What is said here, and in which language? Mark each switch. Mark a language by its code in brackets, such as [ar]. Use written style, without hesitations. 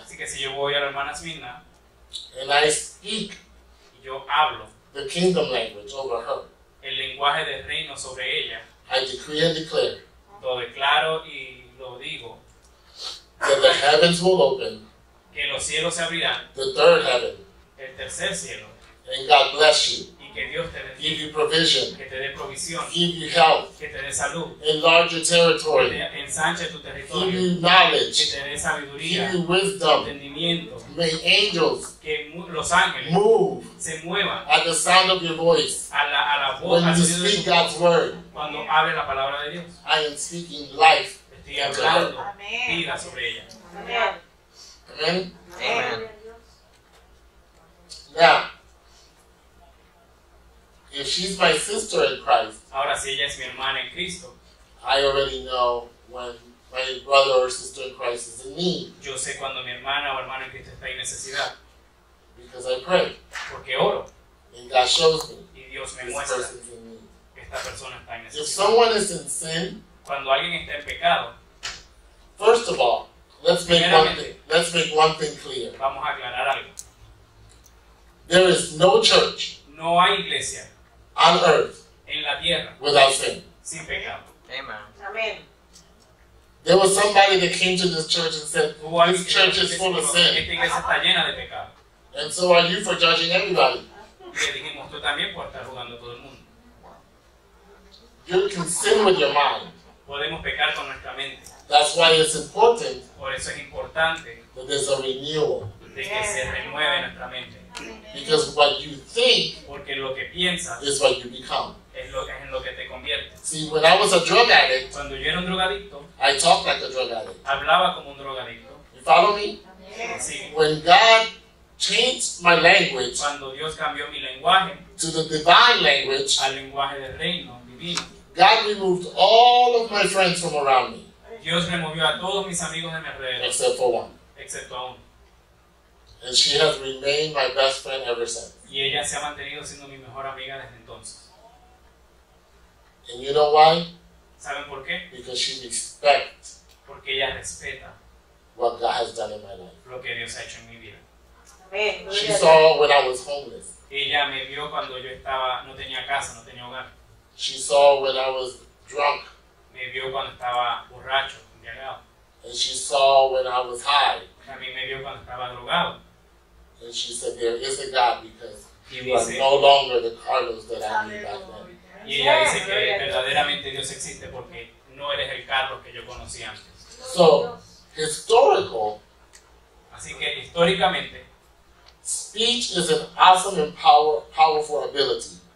[es] así que si yo voy a la hermana Sminda, [en] and I speak [es] yo hablo [en] the kingdom language over her, [es] el lenguaje del reino sobre ella, [en] I decree and declare, [es] lo declaro y lo digo, [en] that the heavens will open, [es] que los cielos se abrirán, [en] the third heaven, [es] el tercer cielo, [en] and God bless you, [es] y que Dios te bendiga, [en] give you provision, [es] que te dé provisión, [en] give you health, [es] que te dé salud, [en] enlarge your territory, [es] que te ensanche tu territorio, [en] give you knowledge, [es] que te dé sabiduría, [en] give you wisdom, [es] entendimiento, [en] may angels, [es] que los ángeles, [en] move, [es] se muevan, [en] at the sound of your voice, [es] a la voz, [en] when you speak [es] voz, [en] God's word, [es] cuando hable la palabra de Dios, [en] I am speaking life, [es] estoy hablando vida sobre ella. [en] Amen. Amen. Amen. Now, if she's my sister in Christ, [es] ahora, si ella es mi hermana en Cristo, [en] I already know when my brother or sister in Christ is in need. [es] Yo sé cuando mi hermana o hermano en Cristo está en necesidad. [en] Because I pray. [es] Porque oro. [en] And God shows me. [es] Y Dios me [en] this [es] muestra. [en] Person's in need. [es] Esta persona está en necesidad. [en] If someone is in sin, [es] cuando alguien está en pecado, [en] first of all, let's make one thing clear. [es] Vamos a aclarar algo. [en] There is no church. [es] No hay iglesia. [en] On earth. [es] En la tierra. [en] Without sin. [es] Sin pecado. [en] Amen. Amen. There was somebody that came to this church and said, this church is full of sin. [es] Esta iglesia está llena de pecado. [en] And so are you for judging everybody. [es] Y le dijimos, tú también por estar jugando todo el mundo. [en] You can sin with your mind. [es] Podemos pecar con nuestra mente. [en] That's why it's important. [es] Por eso es importante. [en] That there's a renewal. [es] De que se renueve nuestra mente. [en] Because what you think, [es] porque lo que piensas, [en] is what you become. [es] Es en lo que te convierte. [en] See, when I was a drug addict, [es] cuando yo era un drogadicto, [en] I talked like a drug addict. [es] Hablaba como un drogadicto. [en] You follow me? [es] Sí. [en] When God changed my language, [es] cuando Dios cambió mi lenguaje, [en] to the divine language, [es] al lenguaje del reino divino, [en] God removed all of my friends from around me. [es] Dios removió a todos mis amigos de mi alrededor. [en] Except for one. [es] Excepto a uno. [en] And she has remained my best friend ever since. [es] Y ella se ha mantenido siendo mi mejor amiga desde entonces. [en] And you know why? [es] ¿Saben por qué? [en] Because she respects. [es] Porque ella respeta. [en] What God has done in my life. [es] Lo que Dios ha hecho en mi vida. [en] She saw when I was homeless. [es] Ella me vio cuando yo estaba, no tenía casa, no tenía hogar. [en] She saw when I was drunk. [es] Me vio cuando estaba borracho, embriagado. [en] And she saw when I was high. [es] También me vio cuando estaba drogado. [en] And she said, there is a God because he was no longer the Carlos that I knew back then. [es] Y ella dice que verdaderamente Dios existe porque no eres el Carlos que yo conocí antes. [en] So, historical. [es] Así que históricamente. [en] Speech is an awesome and powerful ability.